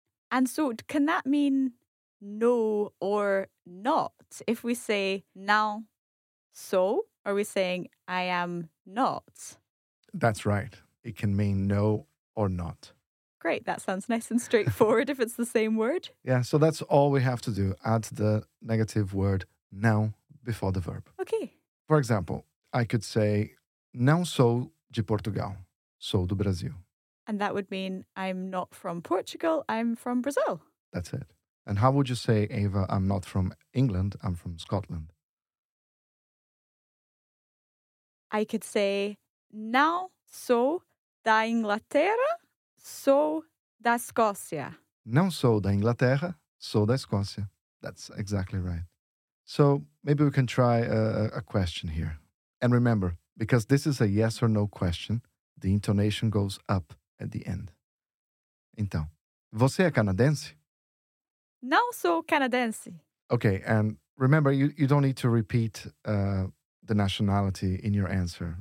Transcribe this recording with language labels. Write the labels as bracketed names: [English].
[English] And so, can that mean no or not? If we say [Portuguese] não sou, [English] are we saying I am not? That's right. It can mean no or not. Great, that sounds nice and straightforward if it's the same word. Yeah, so that's all we have to do. Add the negative word não before the verb. Okay. For example, I could say, [Portuguese] não sou de Portugal, sou do Brasil. [English] And that would mean I'm not from Portugal, I'm from Brazil. That's it. And how would you say, Eva, I'm not from England, I'm from Scotland? I could say, [Portuguese] não sou da Inglaterra. Sou da Escócia. Não sou da Inglaterra, sou da Escócia. [English] That's exactly right. So maybe we can try a question here. And remember, because this is a yes or no question, the intonation goes up at the end. [Portuguese] Então, você é canadense? Não sou canadense. [English] Okay, and remember, you don't need to repeat the nationality in your answer.